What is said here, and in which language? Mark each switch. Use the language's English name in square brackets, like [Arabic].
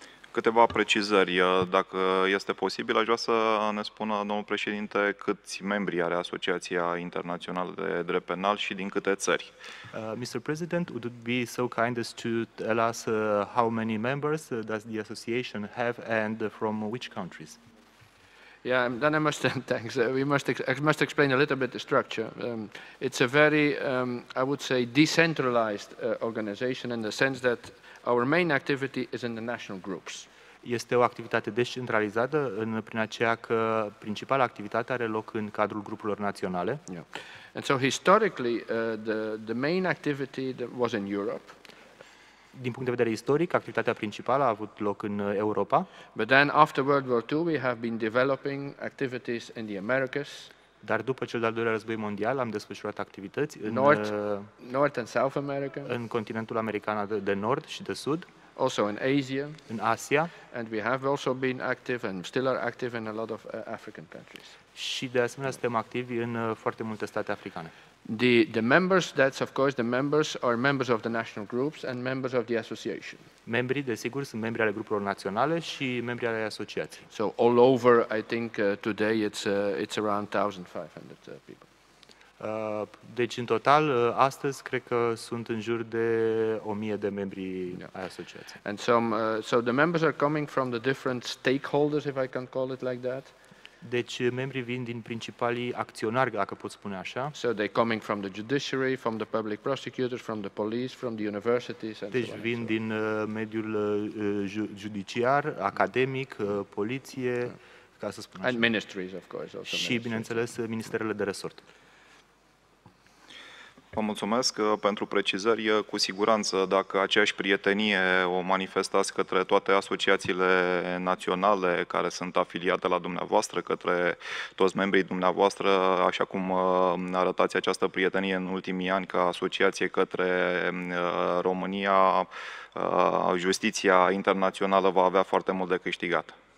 [Romanian] Câteva precizări, dacă este posibil, aș vrea să ne spună, domnul președinte, câți membri are Asociația Internațională de Drept Penal și din câte țări? [English] Mr. President, would it be so kind as to tell us how many members does the association have and from which countries? Yeah, then I must thanks. I must explain a little bit the structure. It's a very, I would say, decentralized organization in the sense that our main activity is in the national groups. [Romanian] Este o activitate descentralizată prin aceea că principala activitate are loc în cadrul grupurilor naționale. [English] Yeah. And so historically, the main activity that was in Europe. [Romanian] Din punct de vedere istoric, activitatea principală a avut loc în Europa. [English] But then after World War II, we have been developing activities in the Americas. [Romanian] Dar după cel de-al doilea război mondial, am desfășurat activități în [English] North and South America. [Romanian] În continentul american de nord și de sud. [English] Also in Asia. [Romanian] În Asia. [English] And we have also been active and still are active in a lot of African countries. [Romanian] Și de asemenea suntem activi în foarte multe state africane. [English] The members, that's of course the members, are members of the national groups and members of the association. [Romanian] Membrii, desigur, sunt membri ale grupurilor naționale și membri ale asociației. [English] So all over, I think, today it's around 1,500 people. [Romanian] Deci, în total, astăzi, cred că sunt în jur de 1,000 de membri ai asociației. [English] And so the members are coming from the different stakeholders, if I can call it like that. [Romanian] Deci membrii vin din principalii acționari, dacă pot spune așa. [English] So they coming from the judiciary, from the public prosecutors, from the police, from the universities and [Romanian] deci [English] so on. [Romanian] Deci vin din mediul judiciar, academic, poliție, ca să spun așa. [English] And ministries of course also. [Romanian] Și bineînțeles ministerele de resort. Vă mulțumesc pentru precizări. Cu siguranță, dacă aceeași prietenie o manifestați către toate asociațiile naționale care sunt afiliate la dumneavoastră, către toți membrii dumneavoastră, așa cum arătați această prietenie în ultimii ani ca asociație către România, justiția internațională va avea foarte mult de câștigat.